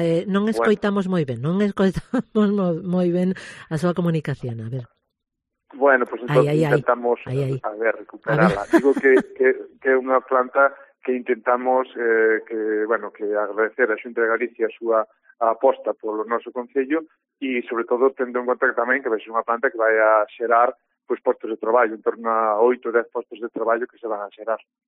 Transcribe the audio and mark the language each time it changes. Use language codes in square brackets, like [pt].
[gl] non escoitamos moi ben a súa comunicación, a ver. [es] Bueno, pues entonces intentamos recuperarla. [gl] Digo que é unha planta que intentamos que agradecer a Xunta de Galicia a súa aposta polo noso concello e sobre todo tendo en conta que tamén que vai ser unha planta que vai a xerar pues, postos de traballo, en torno a 8 ou 10 postos de traballo que se van a xerar.